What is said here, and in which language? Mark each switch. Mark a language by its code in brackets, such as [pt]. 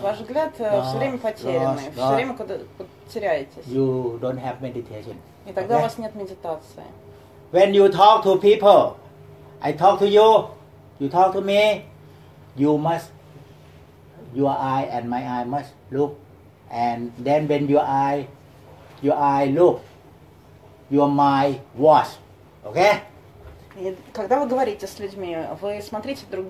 [ru] Ваш взгляд все время потерянный. Все время куда теряетесь. [en] You don't have meditation. [ru] И тогда okay? У вас нет медитации. [en] When you talk to people, I talk to you talk to me, you must, your eye and my eye must look. And then when your eye look, your mind watch, okay? [ru] Когда вы говорите с людьми, вы смотрите друг другу